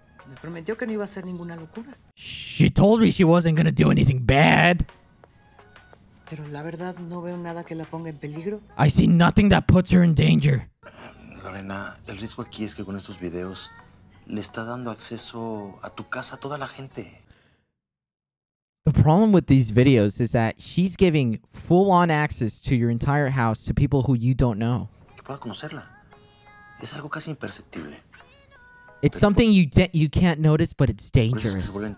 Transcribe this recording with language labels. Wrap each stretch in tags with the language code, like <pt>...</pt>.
<es>Me prometió que no iba a hacer ninguna locura.</es> <en>She told me she wasn't gonna do anything bad.</en> <es>Pero la verdad no veo nada que la ponga en peligro.</es> <en>I see nothing that puts her in danger.</en> <es>Lorena, el riesgo aquí es que con estos videos le está dando acceso a tu casa a toda la gente.</es> <en>The problem with these videos is that she's giving full-on access to your entire house to people who you don't know.</en> <es>Es algo casi imperceptible.</es> <en>It's something you can't notice, but it's dangerous.</en>